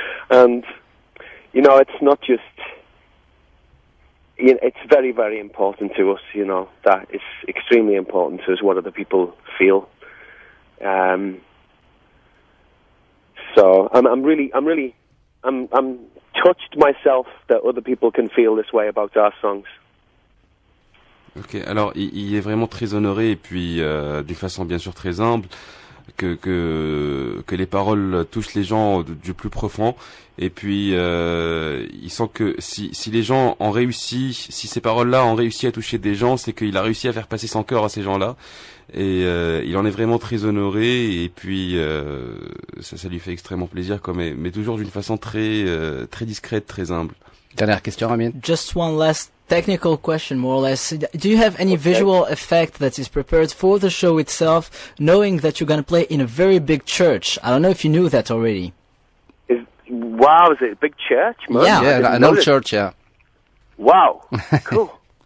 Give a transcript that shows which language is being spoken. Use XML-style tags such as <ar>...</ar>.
<en>And, you know, it's not just, you know, it's very, very important to us, you know, that it's extremely important to us what other people feel. So I'm touched myself that other people can feel this way about our songs.</en> <fr>Ok, alors il est vraiment très honoré, et puis d'une façon bien sûr très humble, que les paroles touchent les gens du plus profond, et puis il sent que si les gens ont réussi, si ces paroles-là ont réussi à toucher des gens, c'est qu'il a réussi à faire passer son cœur à ces gens-là, et il en est vraiment très honoré, et puis ça lui fait extrêmement plaisir, quoi, mais toujours d'une façon très très discrète, très humble. Dernière question, Amine.</fr> <en>Just one last technical question, more or less. Do you have any visual effect that is prepared for the show itself, knowing that you're going to play in a very big church? I don't know if you knew that already. Is it a big church? Old church, yeah. Wow, cool.</en>